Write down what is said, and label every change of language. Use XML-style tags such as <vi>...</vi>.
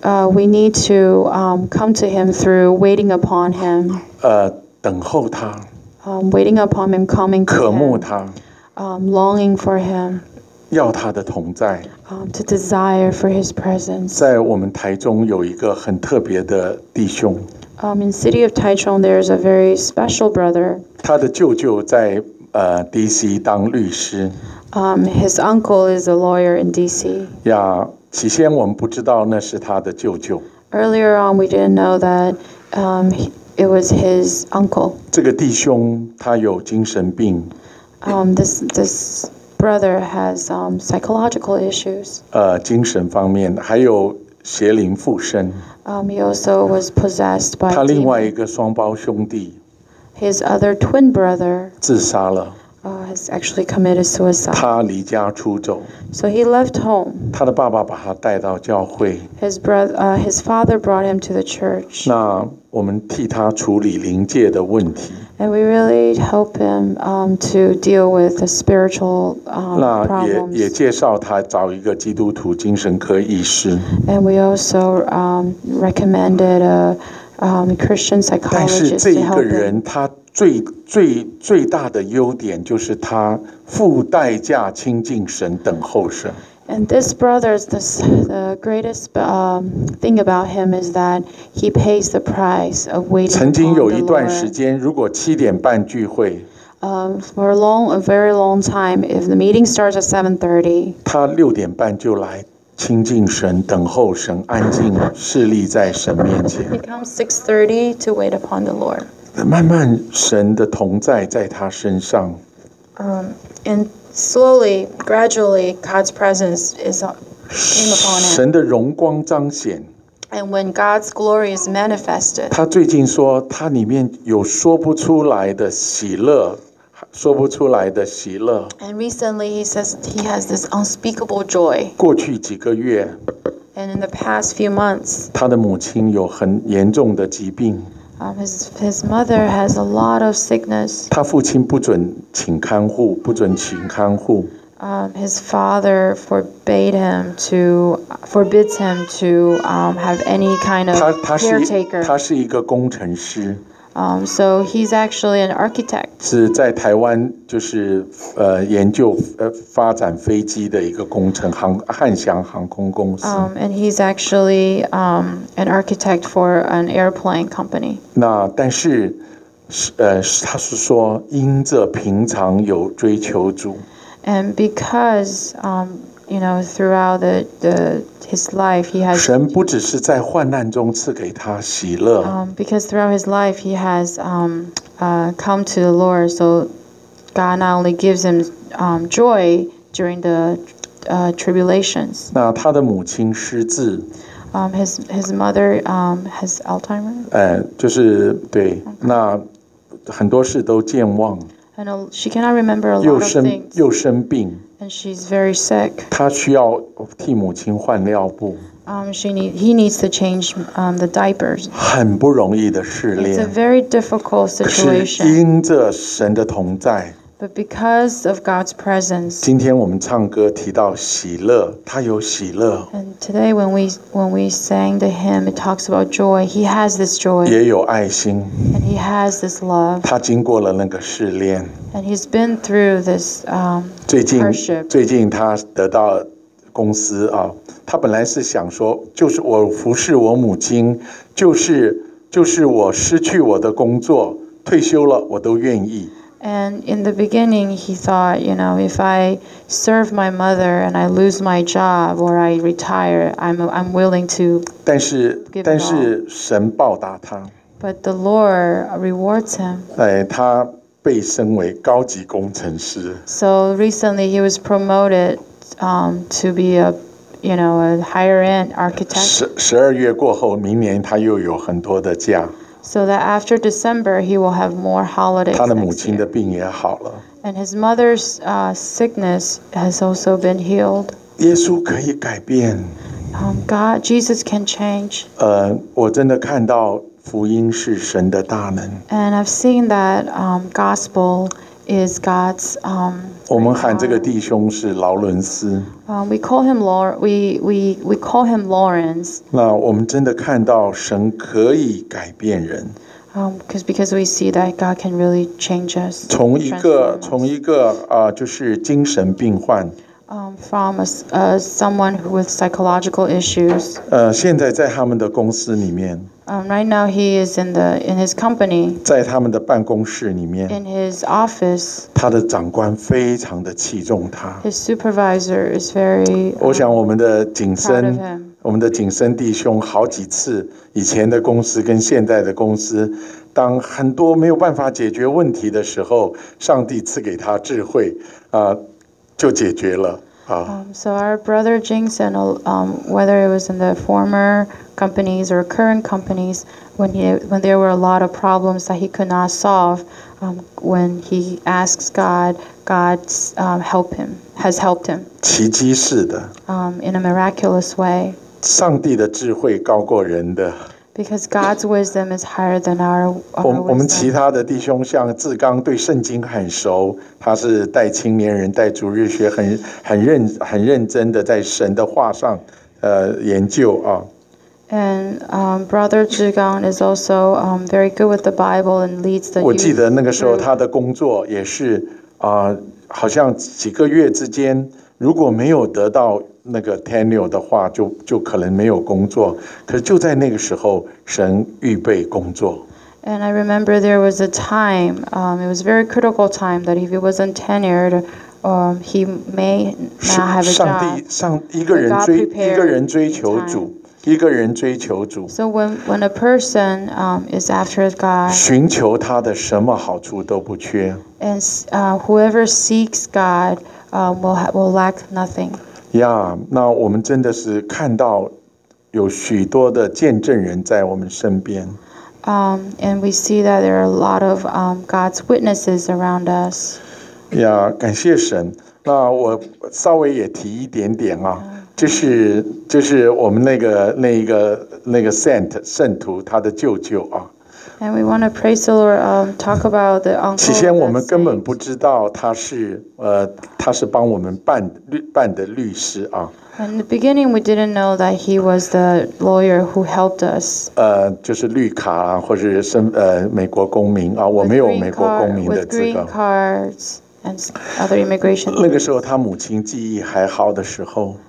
<en>We need to come to him through waiting upon him.</en> <zh>等候他。</zh> <en>Waiting upon him, coming to him.</en> <zh>渴慕他。</zh> <en>Longing for him.</en> <zh>要他的同在。</zh> <en>To desire for his presence.</en> <zh>在我们台中有一个很特别的弟兄。</zh> <en>In the city of Taichung, there is a very special brother.</en> <zh>他的舅舅在DC 当律师。</zh> <en>His uncle is a lawyer in DC.</en> <zh>呀，起先我们不知道那是他的舅舅。</zh> <en>Earlier on, we didn't know that it was his uncle.</en> <zh>这个弟兄他有精神病。</zh> <en>This brother has psychological issues.</en> <zh>精神方面还有邪灵附身。</zh> <en>He also was possessed by.</en> <zh>他另外一个双胞兄弟。</zh> <en>His other twin brother.</en> <zh>自杀了。</zh> <en>Has actually committed suicide.</en> <zh>他离家出走。</zh> <en>So he left home.</en> <zh>他的爸爸把他带到教会。</zh> <en>His father brought him to the church.</en> <zh>那我们替他处理灵界的问题。</zh> <en>And we really help him to deal with the spiritual problems.</en> <zh>那也介绍他找一个基督徒精神科医师。</zh> <en>And we also recommended a Christian psychologist to help him.</en> <zh>但是这一个人，他最大的优点就是他付代价亲近神，等候神。</zh> <en>And this brother, the greatest thing about him is that he pays the price of waiting.</en> <zh>曾经有一段时间，如果七点半聚会。</zh> <en>For a very long time, if the meeting starts at 7:30.</en> <zh>他六点半就来亲近神，等候神，安静，侍立在神面前。</zh> <en>He comes 6:30 to wait upon the Lord.</en> <zh>慢慢，神的同在在他身上。</zh> <en>And slowly, gradually, God's presence is came upon him.</en> <zh>神的荣光彰显。</zh> <en>And when God's glory is manifested,</en> <zh>他最近说，他里面有说不出来的喜乐。说不出来的喜乐。</zh> <en>And recently he says he has this unspeakable joy.</en> <zh>过去几个月。</zh> <en>And in the past few months.</en> <zh>他的母亲有很严重的疾病。</zh> <en>His mother has a lot of sickness.</en> <zh>他父亲不准请看护，不准请看护。</zh> <en>His father forbids him to have any kind of caretaker.</en> <zh>他是一个工程师。</zh> <en>So he's actually an architect.</en> <zh>是在台湾就是研究发展飞机的一个工程汉翔航空公司。</zh> <en>And he's actually an architect for an airplane company.</en> <zh>那但是他是说因着平常有追求主。</zh> <en>And because you know, throughout his life, he has.</en> <zh>神不只是在患难中赐给他喜乐。</zh> <en>Because throughout his life, he has come to the Lord, so God not only gives him joy during the tribulations.</en> <zh>那他的母亲失智。</zh> <en>His mother has Alzheimer's.</en> <zh>就是对，那很多事都健忘。</zh> <en>And she cannot remember a lot of things.</en> <zh>又生病。</zh> <en>And she's very sick.</en> <zh>她需要替母亲换尿布。</zh> <en>He needs to change the diapers.</en> <zh>很不容易的试炼。</zh> <en>It's a very difficult situation.</en> <zh>可是因着神的同在。</zh> <en>But because of God's presence.</en> <zh>今天我们唱歌提到喜乐，他有喜乐。</zh> <en>And today when we sang the hymn, it talks about joy. He has this joy.</en> <zh>也有爱心。</zh> <en>And he has this love.</en> <zh>他经过了那个试炼。</zh> <en>And he's been through this hardship.</en> <zh>最近他得到公司啊，他本来是想说，就是我服侍我母亲，就是我失去我的工作，退休了我都愿意。</zh> <en>And in the beginning, he thought, you know, if I serve my mother and I lose my job or I retire, I'm willing to.</en> <zh>但是神报答他。</zh> <en>But the Lord rewards him.</en> <zh>他被升为高级工程师。</zh> <en>So recently he was promoted to be a higher end architect.</en> <zh>12月过后，明年他又有很多的假。</zh> <en>So that after December he will have more holidays.</en> <zh>他的母亲的病也好了。</zh> <en>And his mother's sickness has also been healed.</en> <zh>耶稣可以改变。</zh> <en>God, Jesus can change.</en> <zh>我真的看到福音是神的大能。</zh> <en>And I've seen that gospel is God's.</en> <zh>我们喊这个弟兄是劳伦斯。</zh> <en>We call him we call him Lawrence.</en> <zh>那我们真的看到神可以改变人。</zh> <en>Because we see that God can really change us.</en> <zh>从一个就是精神病患。</zh> <en>From someone with psychological issues.</en> <zh>现在在他们的公司里面。</zh> <en>Right now he is in his company.</en> <zh>在他们的办公室里面。</zh> <en>In his office.</en> <zh>他的长官非常的器重他。</zh> <en>His supervisor is very.</en> <zh>我想我们的景深，我们的景深弟兄好几次，以前的公司跟现在的公司，当很多没有办法解决问题的时候，上帝赐给他智慧就解决了。</zh> <en>So our brother Jingson, whether it was in the former companies or current companies, when there were a lot of problems that he could not solve, when he asks God, God's has helped him.</en> <zh>奇迹似的。</zh> <en>In a miraculous way.</en> <zh>上帝的智慧高过人的。</zh> <en>Because God's wisdom is higher than our wisdom.</en> <zh>我们其他的弟兄像志刚对圣经很熟，他是带青年人带逐日学，很认真的在神的话上研究啊。</zh> <en>And Brother Zhigang is also very good with the Bible and leads the youth.</en> <zh>我记得那个时候他的工作也是好像几个月之间如果没有得到那个 tenure 的话，就可能没有工作。可是就在那个时候，神预备工作。</zh> <en>And I remember there was a time, it was a very critical time that if he wasn't tenured, or he may not have a job.</en> <zh>上帝上一个人追一个人追求主，一个人追求主。</zh> <en>So when a person is after God,</en> <zh>寻求他的什么好处都不缺。</zh> <en>And whoever seeks God will lack nothing.</en> <zh>Yeah, 那我们真的是看到有许多的见证人在我们身边。</zh> <en>And we see that there are a lot of God's witnesses around us.</en> <zh>Yeah, 感谢神。那我稍微也提一点点啊，就是我们那个 saint 圣徒他的舅舅啊。</zh> <en>And we want to praise the Lord. Talk about the uncle.</en> <zh>起先我们根本不知道他是帮我们办的律师啊。</zh> <en>In the beginning, we didn't know that he was the lawyer who helped us.</en> <zh>就是绿卡啊，或者是美国公民啊，我没有美国公民的资格。</zh> <en>With green cards and other immigration.</en> <zh>那个时候他母亲记忆还好的时候。</zh>